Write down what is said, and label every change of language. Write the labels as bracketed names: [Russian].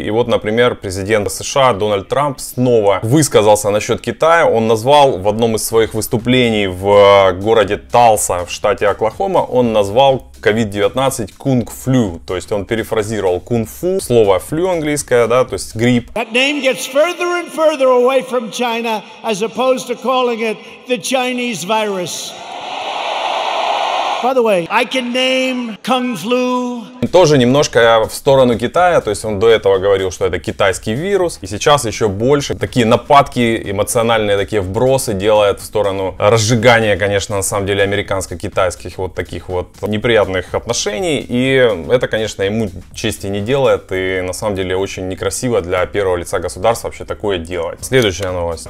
[Russian] И вот, например, президент США Дональд Трамп снова высказался насчет Китая. Он назвал в одном из своих выступлений в городе Талса в штате Оклахома, он назвал COVID-19 кунг-флю. То есть он перефразировал кунг-фу, слово флю английское, да, то есть грипп. [English] That name gets further and further away from China as opposed to calling it the Chinese virus. By the way, I can name Kung Flu. [Russian] Тоже немножко в сторону Китая, то есть он до этого говорил, что это китайский вирус, и сейчас еще больше такие нападки, эмоциональные такие вбросы делает в сторону разжигания, конечно, на самом деле, американско-китайских вот таких вот неприятных отношений, и это, конечно, ему чести не делает, и на самом деле очень некрасиво для первого лица государства вообще такое делать. Следующая новость.